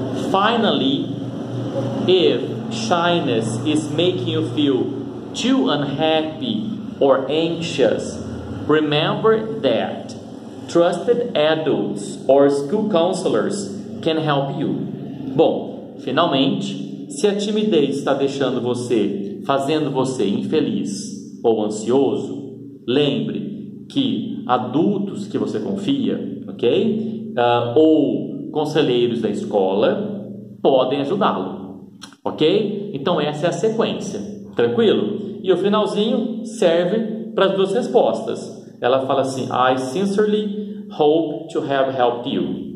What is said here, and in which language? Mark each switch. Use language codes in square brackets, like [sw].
[en] Finally, if shyness is making you feel too unhappy or anxious, remember that trusted adults or school counselors can help you. [pt] Bom, finalmente, se a timidez está deixando você, fazendo você infeliz ou ansioso, lembre que adultos que você confia, ok? Ou conselheiros da escola podem ajudá-lo, ok? Então essa é a sequência, tranquilo? E o finalzinho serve para as duas respostas. Ela fala assim: [en] I sincerely hope to have helped you.